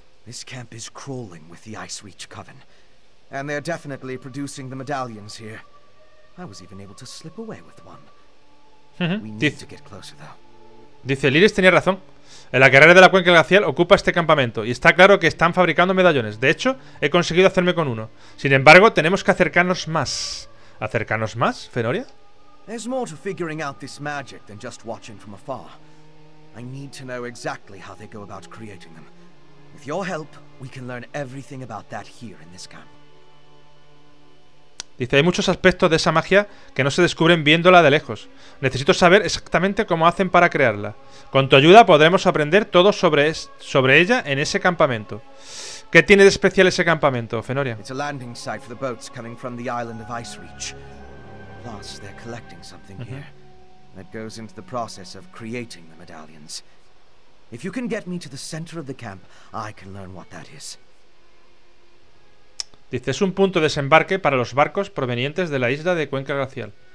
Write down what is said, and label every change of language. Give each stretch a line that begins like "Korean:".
English: This camp is crawling with the Ice Reach Coven. And they're definitely producing the medallions here. I was even able to slip away with one. We need to get closer, though.
Spanish: Dice, Lyris tenía razón. El aguerrero de la cuenca glacial ocupa este campamento. Y está claro que están fabricando medallones. De hecho, he conseguido hacerme con uno. Sin embargo, tenemos que acercarnos más. ¿Acercarnos más, Fenoria? Hay más para
English: figuring out this magic than just watching from afar. I need to know exactly how they go about creating them. With your help, we can learn everything about that here in this camp.
Spanish: Dice, hay muchos aspectos de esa magia que no se descubren viéndola de lejos. Necesito saber exactamente cómo hacen para crearla. Con tu ayuda podremos aprender todo sobre ella en ese campamento. ¿Qué tiene de especial ese campamento, Fenoria?
English: It's a landing site for the boats coming from the island of Ice Reach. Plus, they're collecting something here that goes into the process of creating the medallions. If you can get me to the center of the camp, I can learn what that is.
Spanish: Dice, es un punto de desembarque para los barcos provenientes de la isla de Cuenca Glacial.